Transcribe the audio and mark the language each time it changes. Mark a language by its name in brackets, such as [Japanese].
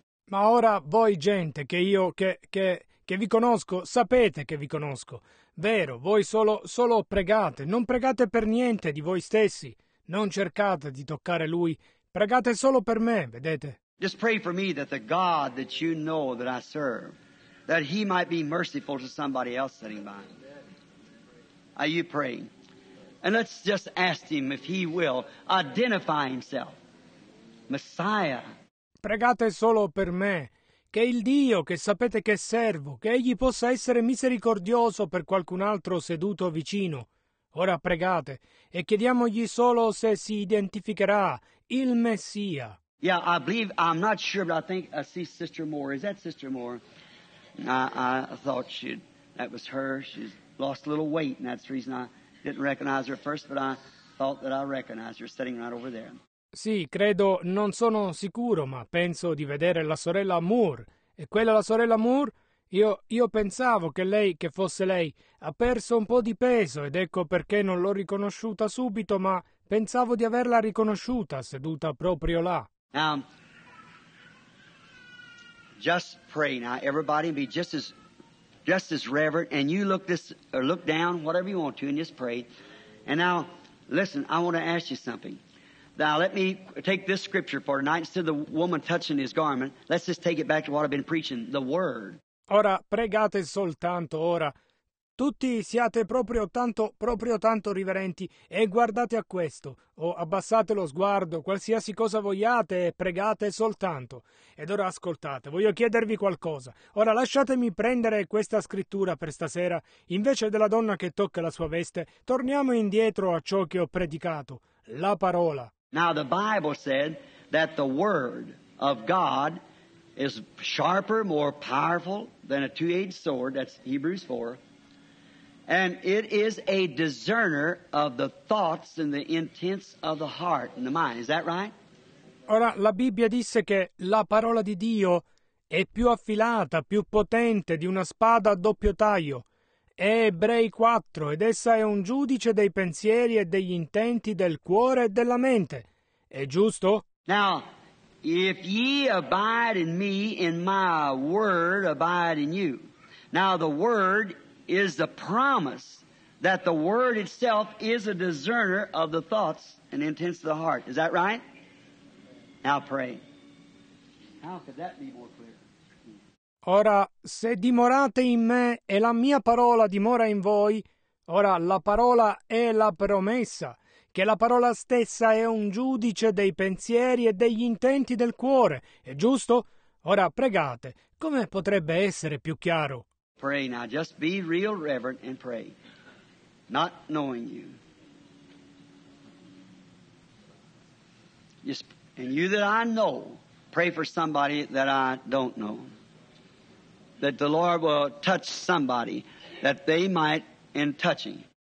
[Italian] Ma ora voi gente che io che vi conosco, sapete che vi conosco. Vero, voi solo pregate, non pregate per niente di voi stessi, non cercate di toccare lui, pregate solo per me, vedete? [English] Just pray for me that the God that you know that I serve, that he might be merciful to somebody else sitting by. Are you praying? And let's just ask him if he will identify himself. Messiah. [Italian] Pregate solo per me, che il Dio che sapete che servo, che egli possa essere misericordioso per qualcun altro seduto vicino. Ora pregate e chiediamogli solo se si identificherà il Messia. [English] Yeah, I believe, I'm not sure, but I think I see Sister Moore. Is that Sister Moore? I thought that was her. She's lost a little weight, and that's the reason I didn't recognize her first, but I thought that I recognized her sitting right over there. [Italian] Sì, credo, non sono sicuro, ma penso di vedere la sorella Moore. E quella la sorella Moore? Io pensavo che lei, che fosse lei, ha perso un po' di peso ed ecco perché non l'ho riconosciuta subito, ma pensavo di averla riconosciuta seduta proprio là. [English] Now, just pray now, everybody, be just as reverent, and you look this or look down, whatever you want to, and just pray. And now, listen, I want to ask you something. Now, let me take this scripture for tonight. Instead of the woman touching his garment, let's just take it back to what I've been preaching, the Word. [Italian] Ora, pregate soltanto ora. Tutti siate proprio tanto riverenti e guardate a questo. O abbassate lo sguardo, qualsiasi cosa vogliate, pregate soltanto. Ed ora ascoltate, voglio chiedervi qualcosa. Ora lasciatemi prendere questa scrittura per stasera. Invece della donna che tocca la sua veste, torniamo indietro a ciò che ho predicato. La parola. [English] Now the Bible said that the word of God is sharper, more powerful than a two-edged sword. That's Hebrews 4. And it is a discerner of the thoughts and the intents of the heart and the mind. Is that right? [Italian] Ora la Bibbia disse che la parola di Dio è più affilata, più potente di una spada a doppio taglio. È Ebrei 4, ed essa è un giudice dei pensieri e degli intenti del cuore e della mente. È giusto? [English] Now, if ye abide in me, and my word abide in you. Now, the word is the promise that the word itself is a discerner of the thoughts and intents of the heart. Is that right? Now pray. How could that be more clear? [Italian] Ora, se dimorate in me e la mia parola dimora in voi, ora la parola è la promessa, che la parola stessa è un giudice dei pensieri e degli intenti del cuore, è giusto? Ora pregate, come potrebbe essere più chiaro? [English] Pray now, just be real reverent and pray, not knowing you. Just, and you that I know, pray for somebody that I don't know. That the Lord will touch somebody, that they might in touching.